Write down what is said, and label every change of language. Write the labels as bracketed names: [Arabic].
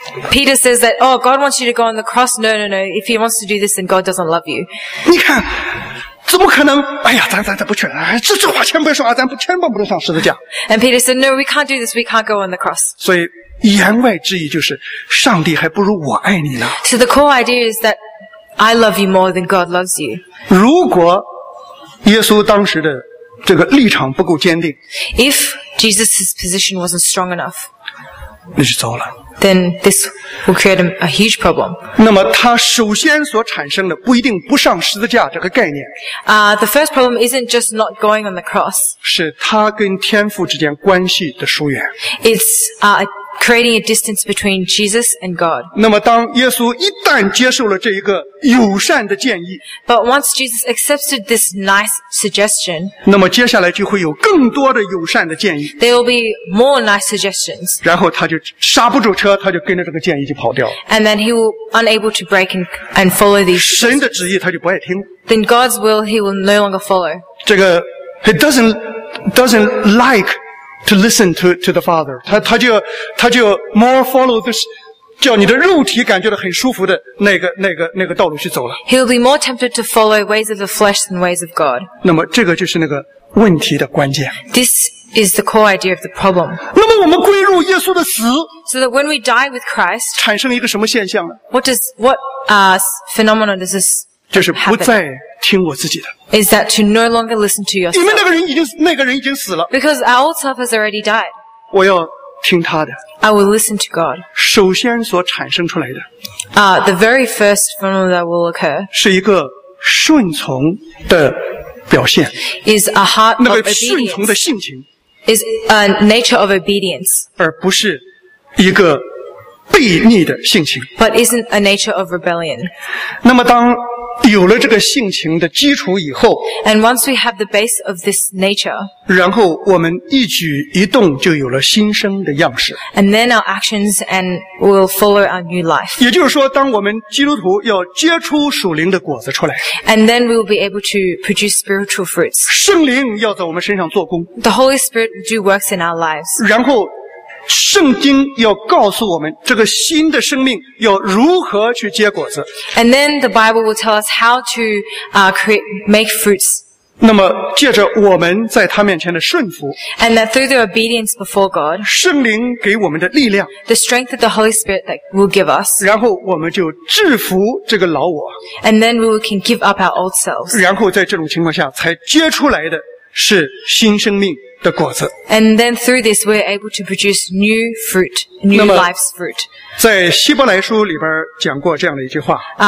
[English] Peter says that, "Oh, God wants you to go on the cross." No, no, no. If He wants to do this, then God doesn't love you. [Chinese] 你看，怎么可能？哎呀，咱不去了。这话千万别说啊，咱不千万不能上十字架。 [English] And Peter said, "No, we can't do this. We can't go on the cross." [Chinese] 所以言外之意就是，上帝还不如我爱你呢。 [English] So the core idea is that I love you more than God loves you. [Chinese] 如果耶稣当时的这个立场不够坚定 [English] ，If Jesus's position wasn't strong enough, [Chinese] 那就糟了。 [English] Then this will create a huge problem. [Chinese] 那么他首先所产生的不一定不上十字架这个概念。 [English] The first problem isn't just not going on the cross. [Chinese] 是他跟天父之间关系的疏远。 [English] It's creating a distance between Jesus and God. [Chinese] 那么当耶稣一旦接受了这一个友善的建议 [English] ，But once Jesus accepted this nice suggestion, [Chinese] 那么接下来就会有更多的友善的建议。 [English] There will be more nice suggestions. [Chinese] 然后他就刹不住车，他就跟着这个建议就跑掉了。 [English] And then he will unable to break and follow these. [Chinese] 神的旨意他就不爱听。 [English] Then God's will he will no longer follow. 这个 he doesn't like to listen to the Father. [Chinese] 他就 [English] more follow this, [Chinese] 叫你的肉体感觉到很舒服的那个道路去走了。 [English] He will be more tempted to follow ways of the flesh than ways of God. [Chinese] 那么这个就是那个问题的关键。 [English] This is the core idea of the problem. [Chinese] 那么我们归入耶稣的死。 [English] So that when we die with Christ, [Chinese] 产生一个什么现象呢 [English] What phenomenon does this happen? [Chinese] 就是不再听我自己的。 [English] Is that to no longer listen to yourself? [Chinese] 因为那个人已经死了。 [English] Because our old self has already died. [Chinese] 我要听他的。 [English] I will listen to God. [Chinese] 首先所产生出来的。 [English] The very first phenomenon that will occur. [Chinese] 是一个顺从的表现。 [English] Is a heart of obedience. [Chinese] 那个顺从的性情。 [English] Is a nature of obedience. [Chinese] 而不是一个悖逆的性情。 [English] But isn't a nature of rebellion. [Chinese] 那么当有了这个性情的基础以后 [English] And once we have the base of this nature, [Chinese] 然后我们一举一动就有了新生的样式 [English] And then our actions and will follow our new life. [Chinese] 也就是说当我们基督徒要结出属灵的果子出来 [English] And then we will be able to produce spiritual fruits. [Chinese] 圣灵要在我们身上做工 [English] The Holy Spirit will do works in our lives. [Chinese] 然后圣经要告诉我们这个新的生命要如何去结果子。 [English] And then the Bible will tell us how to make fruits. [Chinese] 那么借着我们在他面前的顺服。 [English] And that through the obedience before God. [Chinese] 圣灵给我们的力量。 [English] The strength that the Holy Spirit will give us. [Chinese] 然后我们就制服这个老我。 [English] And then we can give up our old selves. [Chinese] 然后在这种情况下才结出来的是新生命。 [English] And then through this, we're able to produce new fruit, new life's fruit. [Chinese] 在希伯来书里边讲过这样的一句话。